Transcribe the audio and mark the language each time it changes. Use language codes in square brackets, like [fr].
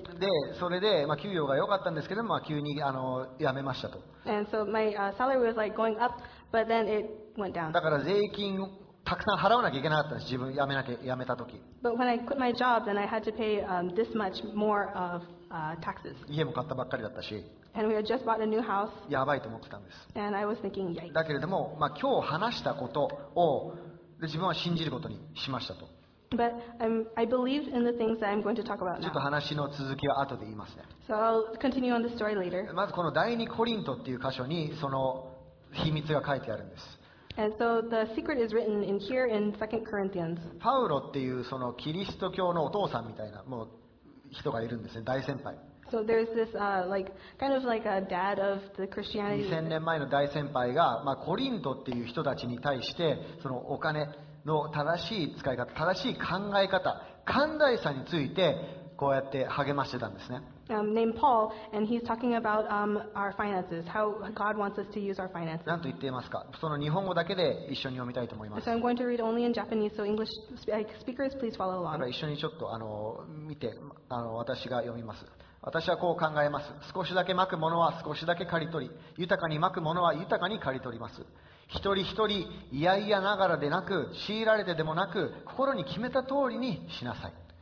[ja] で、それで、まあ、給料が良かったんですけども、まあ、急に辞めましたと。 [en] And so my salary was like going up, but then it went down. [ja] だから税金をたくさん払わなきゃいけなかったんです、自分辞めなきゃ、辞めた時。 [en] But when I quit my job, then I had to pay this much more of taxes. [ja] 家も買ったばっかりだったし。 [en] And we had just bought a new house. [ja] やばいと思ってたんです。 [en] And I was thinking, yikes. [ja] だけれども、まあ、今日話したことを自分は信じることにしましたと。 [en] But I believe in the things that I'm going to talk about now. [ja] ちょっと話の続きは後で言いますね。 [en] So I'll continue on the story later. [ja] まずこの第2コリントっていう箇所にその秘密が書いてあるんです。 [en] And so the secret is written in here in 2 Corinthians. [ja] パウロっていうそのキリスト教のお父さんみたいなもう人がいるんですね、大先輩。 [en] So there's this like kind of like a dad of the Christianity. [ja] 2000年前の大先輩が、まあ、コリントっていう人たちに対してそのお金、の正しい使い方、正しい考え方、寛大さについてこうやって励ましてたんですね。 [en] Named Paul, and he's talking about our finances, how God wants us to use our finances. [ja] 何と言っていますか？その日本語だけで一緒に読みたいと思います。 [en] So I'm going to read only in Japanese, so English speakers, please follow along. [ja] 一緒にちょっと見て私が読みます。私はこう考えます。少しだけまくものは少しだけ刈り取り、豊かにまくものは豊かに刈り取ります。一人一人、いやいやながらでなく、強いられてでもなく、心に決めた通りにしなさい。